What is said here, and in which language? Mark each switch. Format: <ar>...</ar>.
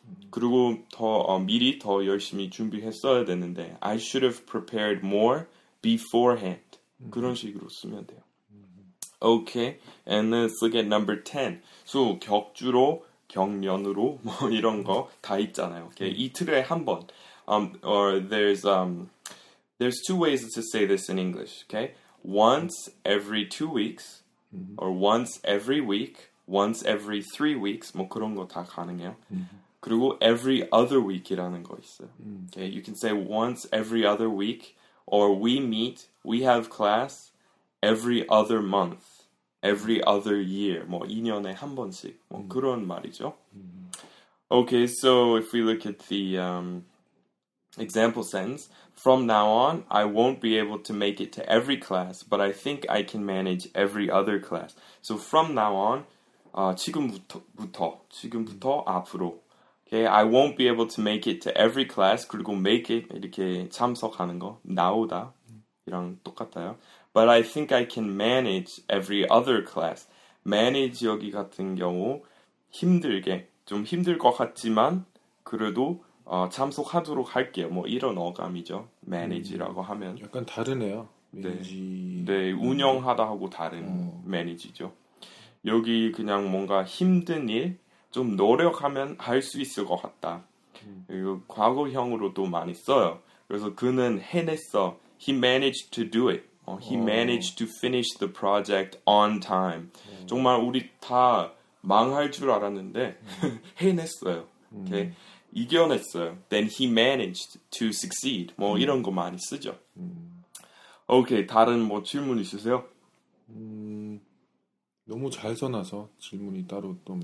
<ko>그리고 더 미리 더 열심히 준비했어야 되는데</ko> <en>I should have prepared more beforehand</en> <ko>그런 식으로 쓰면 돼요.</ko> <en>Okay, and let's look at number 10. So</en> <ko>격주로, 격년으로 뭐 이런 거다 있잖아요. Okay, 이틀에 한 번.</ko> <en>Or there's two ways to say this in English. Okay, once every 2 weeks, or once every week, once every 3 weeks.</en> <ko>뭐 그런 거다 가능해요. 그리고</ko> <en>every other week</en> <ko>이라는 거 있어요.</ko> <en>Okay, you can say once every other week, or we meet, we have class every other month. Every other year,</en> <ko>뭐 2년에 한 번씩, 뭐 그런 말이죠.</ko> <en>Okay, so if we look at the example sentence, from now on, I won't be able to make it to every class, but I think I can manage every other class. So from now on,</en> <ko>지금부터 앞으로,</ko> <en>okay, I won't be able to make it to every class.</en> <ko>그리고 make it 이렇게 참석하는 거, 나오다 이랑 똑같아요.</ko> <en>But I think I can manage every other class.</en> <ko>Manage 여기 같은 경우 힘들게 좀 힘들 것 같지만 그래도 참석하도록 할게요. 뭐 이런 어감이죠. Manage라고 하면 약간 다르네요. 네, 운영하다 하고 다른 Manage죠. 여기 그냥 뭔가 힘든 일좀 노력하면 할수 있을 것 같다. 이거 과거형으로도 많이 써요. 그래서 그는 해냈어.</ko> <en>He managed to do it. He managed to finish the project on time.</en> <ko>정말 우리 다 망할 줄 알았는데 해냈어요.</ko> <en>Okay?</en> <ko>이겨냈어요.</ko> <en>Then he managed to succeed.</en> <ko>뭐 이런 거 많이 쓰죠. Okay, 다른 뭐 질문 있으세요? 너무 잘 써놔서 질문이 따로 또</ko>